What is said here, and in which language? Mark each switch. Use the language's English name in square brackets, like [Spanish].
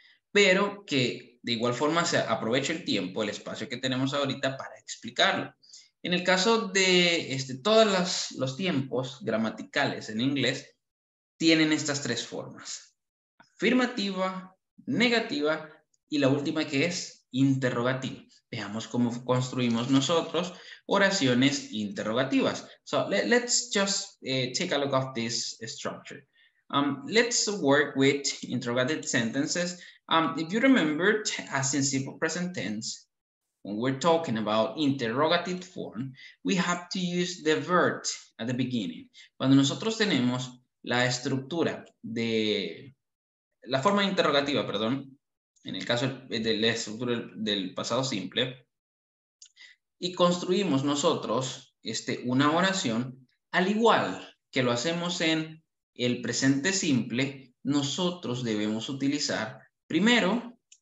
[Spanish] Pero que de igual forma se aproveche el tiempo, el espacio que tenemos ahorita para explicarlo. En el caso de todos los tiempos gramaticales en inglés, tienen estas tres formas. Afirmativa, negativa y la última que es interrogativa. Veamos cómo construimos nosotros oraciones interrogativas. [English] So let's just take a look at this structure. Let's work with interrogative sentences. If you remember, as in simple present tense, when we're talking about interrogative form, we have to use the verb at the beginning. [Spanish] Cuando nosotros tenemos la estructura de la forma interrogativa, perdón, en el caso de la estructura del pasado simple, y construimos nosotros una oración, al igual que lo hacemos en el presente simple, nosotros debemos utilizar primero...